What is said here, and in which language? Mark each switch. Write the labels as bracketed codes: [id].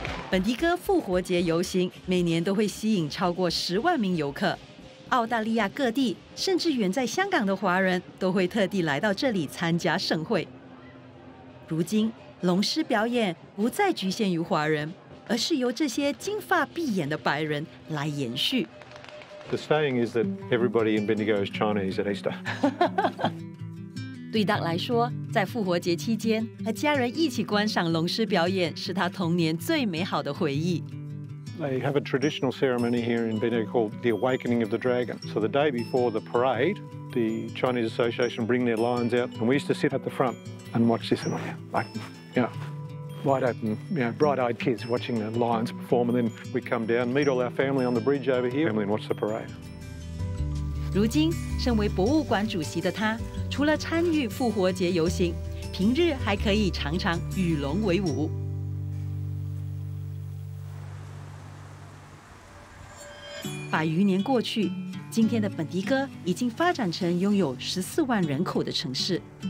[zh] 本迪戈复活节游行每年都会吸引超过10万名游客，澳大利亚各地甚至远在香港的华人都会特地来到这里参加盛会。如今，龙狮表演不再局限于华人，而是由这些金发碧眼的白人来延续。 [en] The saying is that everybody in Bendigo is Chinese at Easter. [zh] 对Doug来说，在复活节期间和家人一起观赏龙狮表演是他童年最美好的回忆。 [en] They have a traditional ceremony here in Bendigo called the Awakening of the Dragon. So the day before the parade, the Chinese Association bring their lions out, and we used to sit at the front and watch this, and like, you know, wide open, you know, bright-eyed kids watching the lions perform, and then we come down, meet all our family on the bridge over here, and watch the parade. [zh] 如今，身为博物馆主席的他，除了参与复活节游行，平日还可以常常与龙为伍。百余年过去，今天的本迪戈已经发展成拥有14万人口的城市。